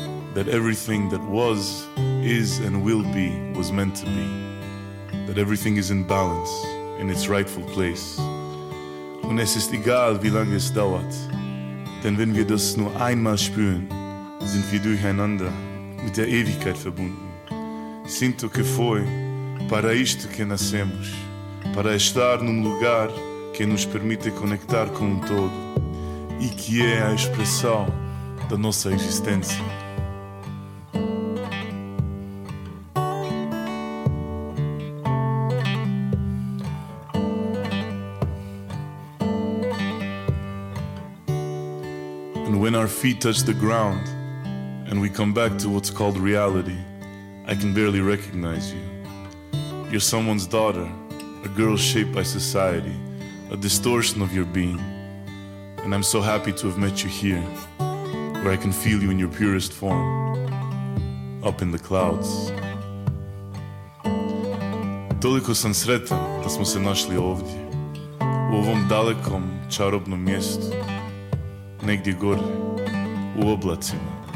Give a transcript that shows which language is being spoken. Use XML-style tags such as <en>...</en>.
<en>That everything that was, is and will be was meant to be. That everything is in balance, in its rightful place.</en> <de>Und es ist egal, wie lange es dauert. Denn wenn wir das nur einmal spüren, sind wir durcheinander mit der Ewigkeit verbunden.</de> <pt>Sinto que foi para isto que nascemos. Para estar num lugar que nos permite conectar com o todo e que é a expressão da nossa existência.</pt> <en>And when our feet touch the ground and we come back to what's called reality, I can barely recognize you. You're someone's daughter. A girl shaped by society, a distortion of your being. And I'm so happy to have met you here, where I can feel you in your purest form, up in the clouds.</en> <hr>Toliko sam sretan da smo se našli ovdje, u ovom dalekom čarobnom mjestu, negdje gore, u oblacima.</hr>